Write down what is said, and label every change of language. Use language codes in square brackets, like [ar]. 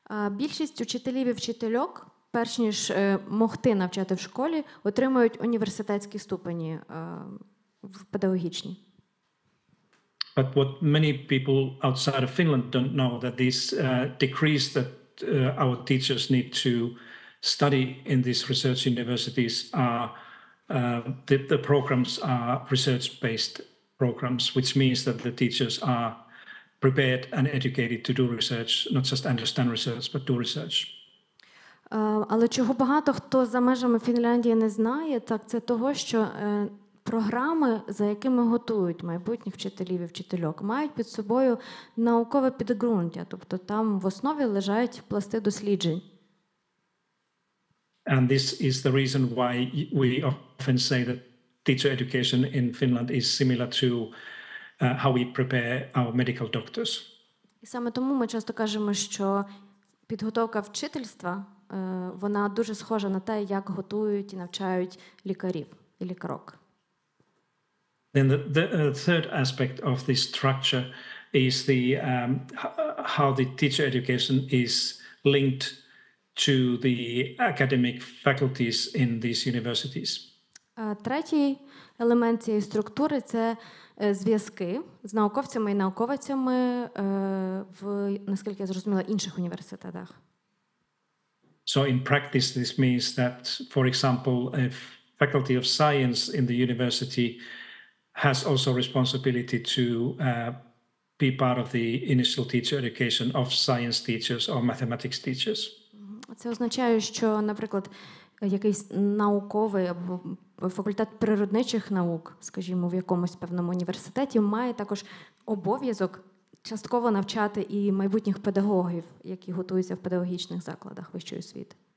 [uk] Більшість учителів і вчительок, перш ніж могти навчати в школі, отримують університетські ступені в педагогічні. [en] But what many people outside of Finland don't know that these degrees that our teachers need to study in these research universities are the programs are research-based programs, which means that the teachers are prepared and educated to do research, not just understand research, but do research. [uk] Але чого багато хто за межами Фінляндії не знає, так це того, що програми, за якими готують майбутніх вчителів і вчительок, мають під собою наукове підґрунтя, тобто там в основі лежають пласти досліджень. [en] And this is the reason why we often say that teacher education in Finland is similar to how we prepare our medical doctors. [uk] І саме тому ми часто кажемо, що підготовка вчительства, вона дуже схожа на те, як готують і навчають лікарів і лікарок. [en] Then the third aspect of this structure is the how the teacher education is linked to the academic faculties in these universities. [uk] Третій елемент цієї структури – це зв'язки з науковцями і науковицями в, наскільки я зрозуміла, інших університетах. [en] So in practice this means that, for example, a faculty of science in the university has also responsibility to be part of the initial teacher education of science teachers or mathematics teachers. [uk] Це означає, що, наприклад, якийсь науковий або факультет природничих наук, скажімо, в якомусь певному університеті, має також обов'язок частково навчати і майбутніх педагогів, які готуються в педагогічних закладах вищої освіти.